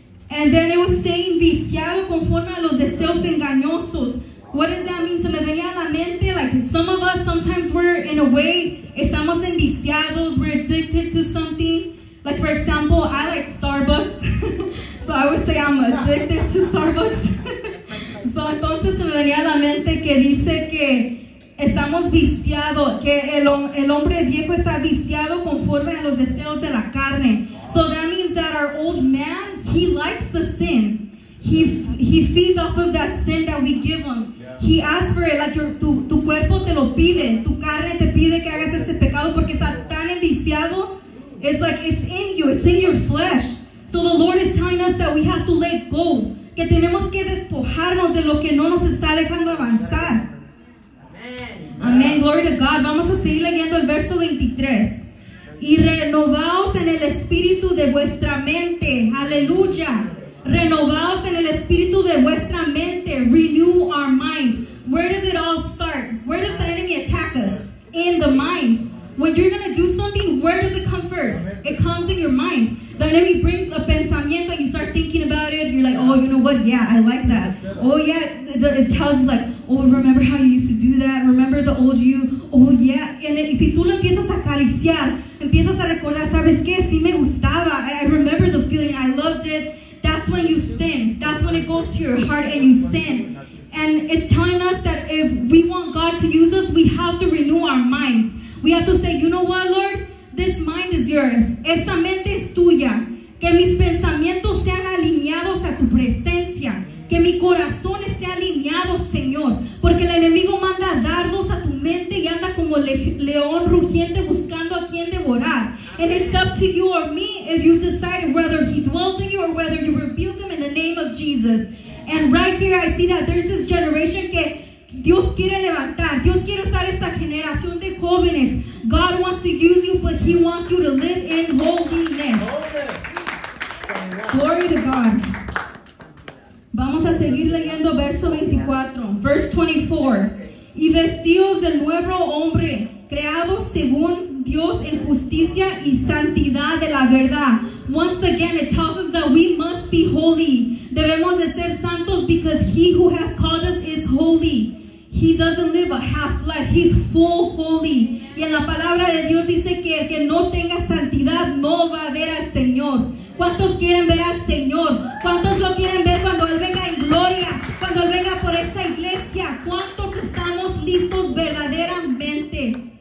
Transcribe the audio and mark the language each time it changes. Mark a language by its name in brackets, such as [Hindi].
[English] And then it was saying, [Spanish] viciado conforme a los deseos engañosos. [English] What does that mean? [Spanish] Se me venía a la mente, [English] like, some of us, sometimes we're in a way, [Spanish] estamos enviciados, [English] we're addicted to something. Like, for example, I like Starbucks. So I would say I'm addicted to Starbucks. So [Spanish] entonces se me venía a la mente que dice que estamos viciados, que el hombre viejo está viciado conforme a los deseos de la carne. [English] So that means that our old man, he likes the sin. He feeds off of that sin that we give him. He asks for it, like [Spanish] tu cuerpo te lo pide, tu carne te pide que hagas ese pecado porque está tan enviciado. [English] It's like it's in you, it's in your flesh. So the Lord is telling us that we have to let go. [Spanish] Que tenemos que despojarnos de lo que no nos está dejando avanzar. Amén. [English] Glory to God. [Spanish] Vamos a seguir leyendo el verso 23. Y renovaos en el espíritu de vuestra mente. Aleluya. Renovaos en el espíritu de vuestra mente. [English] Renew our mind. Where does it all start? Where does the enemy attack us? In the mind. When you're going to do something, where does it come first? It comes in your mind. The enemy brings a pensamiento, you start thinking about it, you're like, oh, you know what, yeah, I like that. Oh, yeah, it tells you, like, oh, remember how you used to do that, remember the old you, oh, yeah. And [Spanish] si tú lo empiezas a acariciar, empiezas a recordar, ¿sabes qué? Sí me gustaba, [English] I remember the feeling, I loved it. That's when you sin, that's when it goes to your heart and you sin. And it's telling us that if we want God to use us, we have to renew our minds. We have to say, you know what, Lord? This mind is yours. [Spanish] Esta mente es tuya. Que mis pensamientos sean alineados a tu presencia. Que mi corazón esté alineado, Señor. Porque el enemigo manda dardos a tu mente y anda como león rugiente buscando a quien devorar. [English] And it's up to you or me if you decide whether he dwells in you or whether you rebuke him in the name of Jesus. And right here I see that there's this generation [Spanish] que Dios quiere levantar. Dios quiere usar esta generación de jóvenes. [English] God wants to use you, but he wants you to live in holiness. Glory to God. [Spanish] Vamos a seguir leyendo verso 24. [English] Verse 24. [Spanish] Y vestidos del nuevo hombre, creados según Dios en justicia y santidad de la verdad. [English] Once again, it tells us that we must be holy. [Spanish] Debemos de ser santos [English] because he who has called us is holy. He doesn't live a half life. He's full holy. [Spanish] Y en la palabra de Dios dice que el que no tenga santidad no va a ver al Señor. ¿Cuántos quieren ver al Señor? ¿Cuántos lo quieren ver cuando Él venga en gloria? Cuando Él venga por esa iglesia. ¿Cuántos estamos listos verdaderamente?